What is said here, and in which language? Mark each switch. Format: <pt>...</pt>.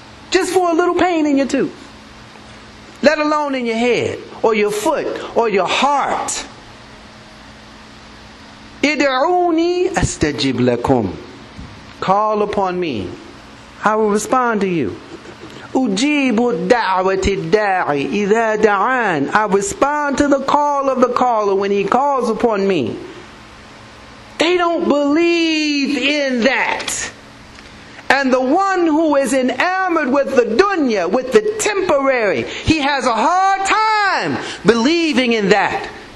<en>Just for a little pain in your tooth. Let alone in your head, or your foot, or your heart.</en> <ar>Ida'uni astajib lakum.</ar> <en>Call upon me, I will respond to you.</en> <ar>أجيب دعوة الداعي إذا دعان.</ar> <en>I respond to the call of the caller when he calls upon me. They don't believe in that. And the one who is enamored with the dunya, with the temporary, he has a hard time believing in that.</en>